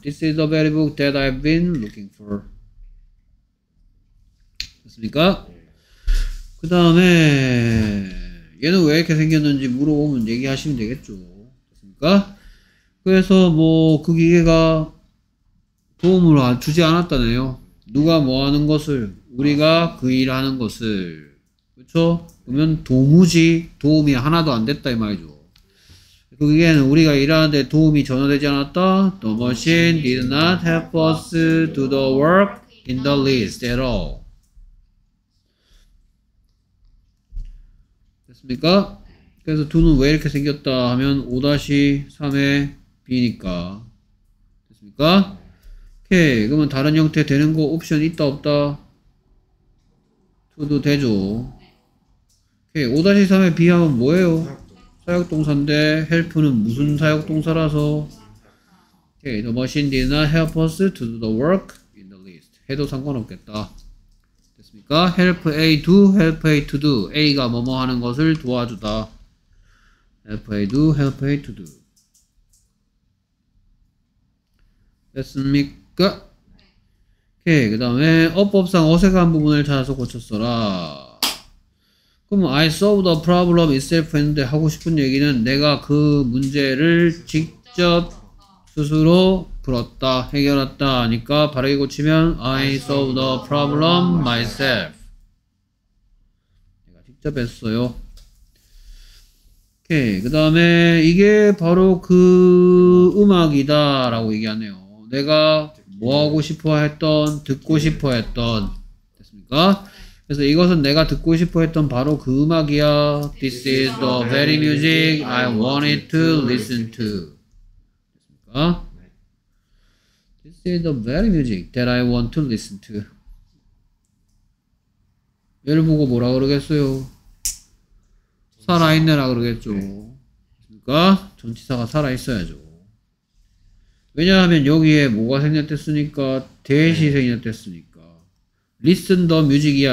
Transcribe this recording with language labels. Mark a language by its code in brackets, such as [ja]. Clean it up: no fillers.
[en] This is the very book that I've been looking for. [ko] 됐습니까? 그 다음에 얘는 왜 이렇게 생겼는지 물어보면 얘기하시면 되겠죠. 됐습니까? 그래서 뭐 그 기계가 도움을 주지 않았다네요. 누가 뭐 하는 것을, 우리가 그 일하는 것을. 그쵸? 그러면 도무지 도움이 하나도 안 됐다 이 말이죠. 그 기계는 우리가 일하는데 도움이 전혀 되지 않았다. [en] The machine did not help us do the work in the least at all. [ko] 됐습니까? 그래서 두는 왜 이렇게 생겼다 하면 5-3의 B니까. 됐습니까? 오케이. 그러면 다른 형태 되는 거 옵션 있다 없다? 2도 되죠. 오케이. 5-3의 B하면 뭐예요? 사역동사인데 help는 무슨 사역동사라서 오케이. [en] The machine did not help us to do the work in the list. [ko] 해도 상관없겠다. 됐습니까? [en] help A do, help A to do. [ko] A가 뭐뭐 하는 것을 도와주다. [en] help A do, help A to do. [ko] 됐습니까? 오케이. 그 다음에 어법상 어색한 부분을 찾아서 고쳤어라. 그럼 [en] I solved the problem itself [ko] 했는데 하고 싶은 얘기는 내가 그 문제를 직접 스스로 풀었다, 해결했다 하니까 바르게 고치면 [en] I solved the problem myself. [ko] 내가 직접 했어요. 오케이. 그 다음에 이게 바로 그 음악이다 라고 얘기하네요. 내가 뭐 하고 싶어 했던, 듣고 싶어 했던. 됐습니까? 그래서 이것은 내가 듣고 싶어 했던 바로 그 음악이야. [en] This is the very music I wanted to listen to. [ko] 됐습니까? [en] This is the very music that I want to listen to. [ko] 얘를 보고 뭐라 그러겠어요? 살아있네라 그러겠죠. 됐습니까? 전치사가 살아있어야죠. 왜냐하면 여기에 뭐가 생략됐으니까? 대시 생략됐으니까. [en] Listen the music이야.